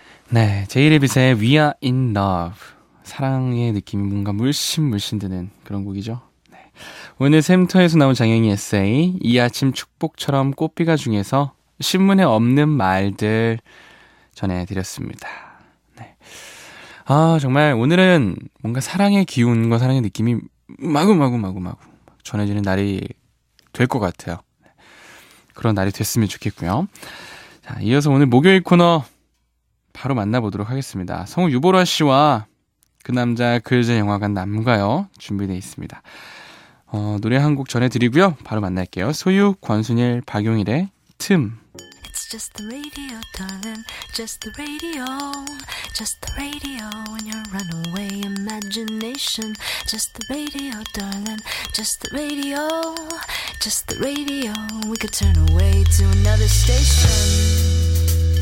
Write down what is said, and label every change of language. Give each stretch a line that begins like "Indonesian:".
Korean: 네, 제이레빗의 We Are In Love. 사랑의 느낌이 뭔가 물씬 물씬 드는 그런 곡이죠. 오늘 샘터에서 나온 장영희 에세이 이 아침 축복처럼 꽃비가 중에서 신문에 없는 말들 전해드렸습니다. 네. 아 정말 오늘은 뭔가 사랑의 기운과 사랑의 느낌이 마구마구 전해지는 날이 될 것 같아요. 그런 날이 됐으면 좋겠고요. 자, 이어서 오늘 목요일 코너 바로 만나보도록 하겠습니다. 성우 유보라 씨와 그 남자 글쎄 영화관 남과요 준비되어 있습니다. 노래 한 곡 전해드리고요. 바로 만날게요. 소유, 권순일, 박용일의 틈.
English: It's just the radio, darling. Just the radio. Just the radio and your runaway imagination. Just the radio, darling. Just the radio. Just the radio. We could turn away to another station.